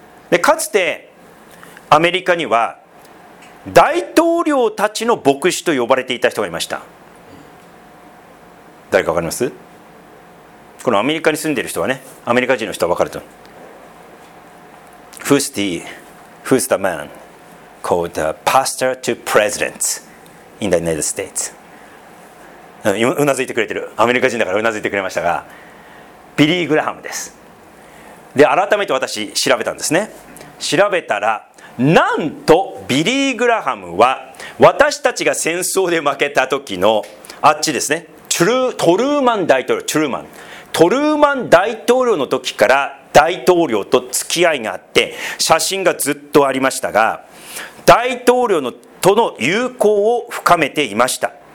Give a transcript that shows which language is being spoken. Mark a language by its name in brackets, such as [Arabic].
[Japanese] でかつてアメリカには大統領たちの牧師と呼ばれていた人がいました。誰かわかります？このアメリカに住んでる人はね、アメリカ人の人はわかると思う。 [English] Who's the man called the pastor to president in the United States? [Japanese] うなずいてくれてる、アメリカ人だからうなずいてくれましたが、ビリー・グラハムです。で改めて私調べたんですね。調べたら、なんとビリー・グラハムは私たちが戦争で負けた時のあっちですね、トルーマン大統領、トルーマン大統領の時から大統領と付き合いがあって、写真がずっとありましたが、大統領との友好を深めていました。